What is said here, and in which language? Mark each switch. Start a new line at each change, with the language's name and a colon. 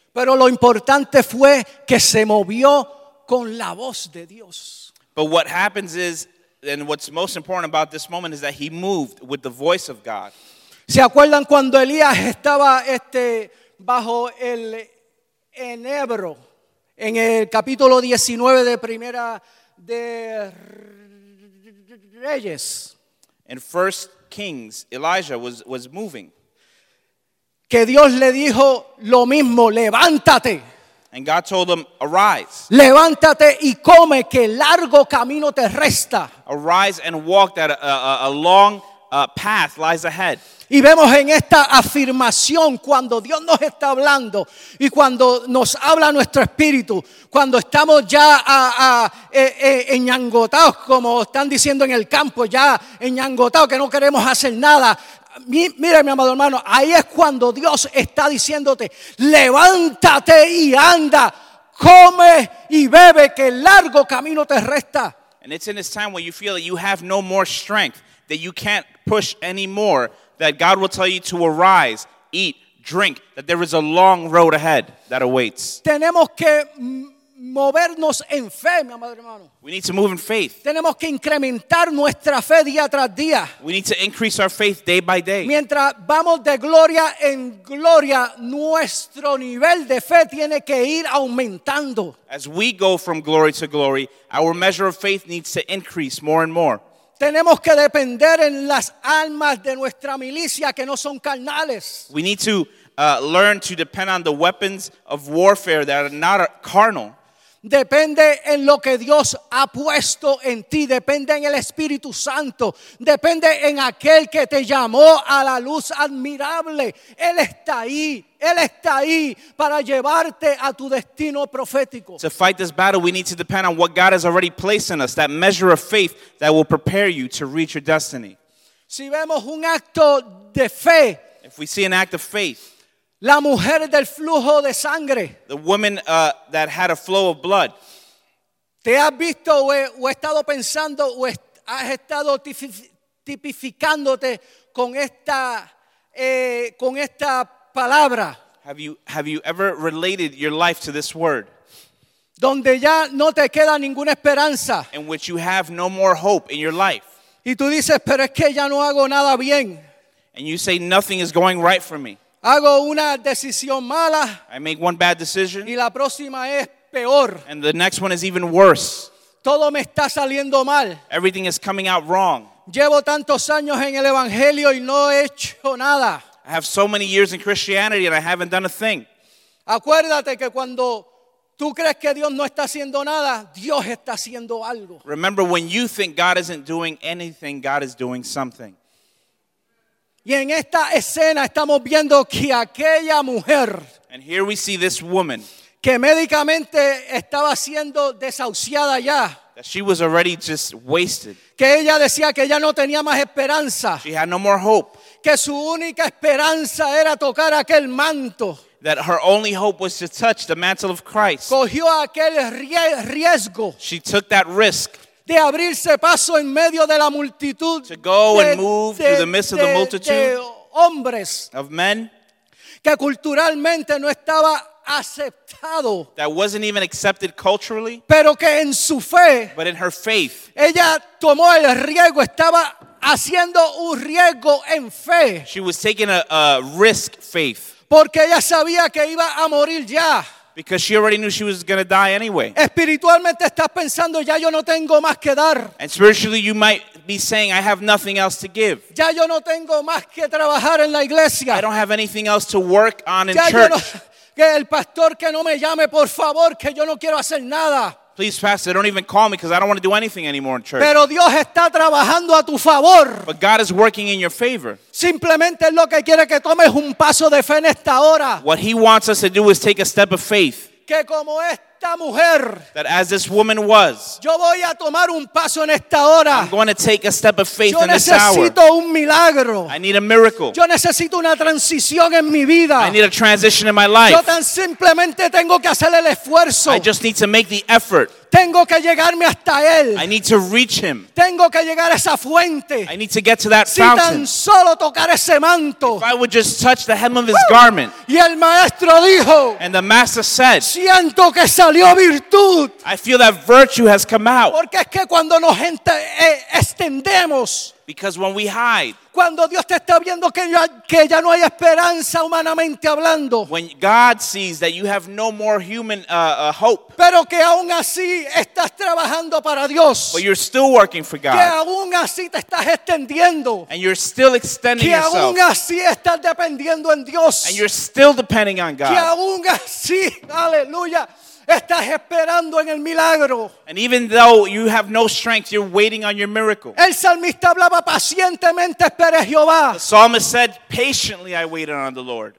Spanish: Pero lo importante fue que se movió con la voz de Dios.
English: But what happens is, and what's most important about this moment, is that he moved with the voice of God.
Spanish: ¿Se acuerdan cuando Elías estaba bajo el enebro en el capítulo 19 de Primera de Reyes?
English: In First Kings, Elijah was moving.
Spanish: Que Dios le dijo lo mismo, levántate.
English: And God told him, arise.
Spanish: Levántate y come, que largo camino te resta.
English: Arise and walk, that a long path lies ahead.
Spanish: Y vemos en esta afirmación cuando Dios nos está hablando y cuando nos habla nuestro espíritu, cuando estamos ya enyangotados, como están diciendo en el campo, ya enyangotados, que no queremos hacer nada. Mira, mi amado hermano, ahí es cuando Dios está diciéndote: levántate y anda, come y bebe, que el largo camino te resta.
English: And it's in this time where you feel that you have no more strength, that you can't push anymore, that God will tell you to arise, eat, drink, that there is a long road ahead that awaits.
Spanish: Tenemos que movernos en fe, mi amado hermano.
English: We need to move in faith.
Spanish: Tenemos que incrementar nuestra fe día tras día.
English: We need to increase our faith day by day.
Spanish: Mientras vamos de gloria en gloria, nuestro nivel de fe tiene que ir aumentando.
English: As we go from glory to glory, our measure of faith needs to increase more and more.
Spanish: Tenemos que depender en las armas de nuestra milicia que no son carnales.
English: We need to learn to depend on the weapons of warfare that are not carnal.
Spanish: Depende en lo que Dios ha puesto en ti. Depende en el Espíritu Santo. Depende en aquel que te llamó a la luz admirable. Él está ahí. Él está ahí para llevarte a tu destino profético.
English: To fight this battle, we need to depend on what God has already placed in us, that measure of faith that will prepare you to reach your destiny.
Spanish: Si vemos un acto de fe,
English: if we see an act of faith,
Spanish: la mujer del flujo de sangre,
English: the woman that had a flow of blood.
Spanish: ¿Te has visto o estado pensando o has estado tipificándote con esta palabra?
English: Have you ever related your life to this word?
Spanish: Donde ya no te queda ninguna esperanza.
English: In which you have no more hope in your life.
Spanish: Y tú dices, pero es que ya no hago nada bien.
English: And you say, nothing is going right for me.
Spanish: Hago una decisión mala.
English: I make one bad decision.
Spanish: Y la próxima es peor.
English: And the next one is even worse.
Spanish: Todo me está saliendo mal.
English: Everything is coming out wrong.
Spanish: Llevo tantos años en el evangelio y no he hecho nada.
English: I have so many years in Christianity and I haven't done a thing.
Spanish: Acuérdate que cuando tú crees que Dios no está haciendo nada, Dios está haciendo algo.
English: Remember, when you think God isn't doing anything, God is doing something.
Spanish: Y en esta escena estamos viendo que aquella mujer,
English: and here we see this woman,
Spanish: que médicamente estaba siendo desahuciada ya,
English: that she was already just wasted,
Spanish: que ella decía que ya no tenía más esperanza,
English: she had no more hope,
Spanish: que su única esperanza era tocar aquel manto,
English: that her only hope was to touch the mantle of Christ,
Spanish: cogió aquel riesgo,
English: she took that risk,
Spanish: de abrirse paso en medio de la multitud,
English: to go and move through the midst of the multitude,
Spanish: de hombres,
English: of men,
Spanish: que culturalmente no estaba aceptado,
English: that wasn't even accepted culturally,
Spanish: pero que en su fe,
English: but in her faith,
Spanish: ella tomó el riesgo, estaba haciendo un riesgo en fe,
English: she was taking a risk faith,
Spanish: porque ella sabía que iba a morir ya.
English: Because she already knew she was going to die anyway.
Spanish: Espiritualmente estás pensando, ya yo no tengo más que dar.
English: And spiritually you might be saying, I have nothing else to give.
Spanish: Ya yo no tengo más que trabajar en la iglesia.
English: I don't have anything else to work on in
Spanish: ya
English: church.
Spanish: Yo no, que el pastor que no me llame, por favor, que yo no quiero hacer nada.
English: Please, pastor, don't even call me because I don't want to do anything anymore in church.
Spanish: Pero Dios está trabajando a tu favor.
English: But God is working in your favor.
Spanish: Simplemente lo que quiere que tomes un paso de fe en esta hora.
English: What he wants us to do is take a step of faith.
Spanish: Que como esta mujer,
English: that as this woman was,
Spanish: yo voy a tomar un paso en esta hora.
English: I'm going to take a step of faith
Spanish: yo
English: in this hour.
Spanish: Yo necesito un milagro.
English: I need a miracle.
Spanish: Yo necesito una transición en mi vida.
English: I need a transition in my life.
Spanish: Yo tan simplemente tengo que hacer el esfuerzo.
English: I just need to make the effort.
Spanish: Tengo que llegarme hasta él.
English: I need to reach him.
Spanish: Tengo que llegar a esa fuente.
English: I need to get to that
Spanish: si
English: fountain.
Spanish: Tan solo tocar ese manto.
English: If I would just touch the hem of his garment.
Spanish: Y el maestro dijo,
English: and the master said,
Spanish: siento que salió virtud.
English: I feel that virtue has come out.
Spanish: Porque es que cuando nos extendemos,
English: because when we hide,
Spanish: cuando Dios te está viendo que ya no hay esperanza humanamente hablando,
English: when God sees that you have no more human hope,
Spanish: pero que aún así estás trabajando para Dios,
English: but you're still working for God,
Spanish: que aún así te estás extendiendo,
English: and you're still extending
Spanish: que
English: yourself,
Spanish: que aún así estás dependiendo en Dios,
English: and you're still depending on God,
Spanish: que aún así, aleluya, estás esperando en el milagro.
English: And even though you have no strength, you're waiting on your miracle.
Spanish: El salmista hablaba pacientemente, esperé a Jehová.
English: The psalmist said, patiently I waited on the Lord.